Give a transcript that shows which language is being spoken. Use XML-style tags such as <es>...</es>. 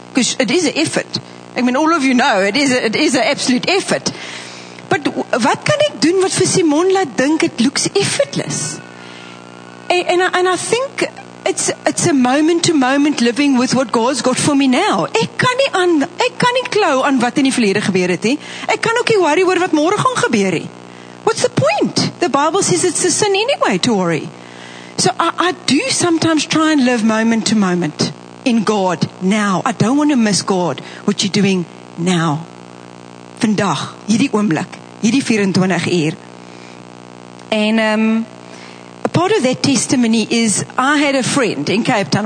<en>Because it is an effort. I mean, all of you know, it is an absolute effort. But what can I do what for Simone</en> <af>laat dink</af> <en>it looks effortless? And I think it's a moment-to-moment living with what God's got for me now.</en> <af>Ek kan nie klou aan wat in die verlede gebeur het. Ek kan ook nie worry oor wat môre gaan gebeur nie.</af> <en>What's the point? The Bible says it's a sin anyway to worry. So I do sometimes try and live moment-to-moment in God now. I don't want to miss God, what you're doing now.</en> <af>Vandag, hierdie oomblik. Hierdie 24 uur.</af> <en>And a part of that testimony is I had a friend in Cape Town.</en>